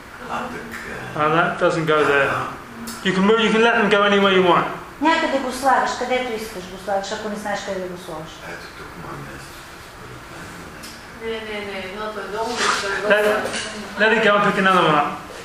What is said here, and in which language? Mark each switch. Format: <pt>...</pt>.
<en>And that doesn't go there. You can move, you can let them go anywhere you want.</en> <bg>Някъде го слагаш, където искаш го слагаш, ако не знаеш къде го сложиш.</bg> <en>Let it go and pick another one up.</en>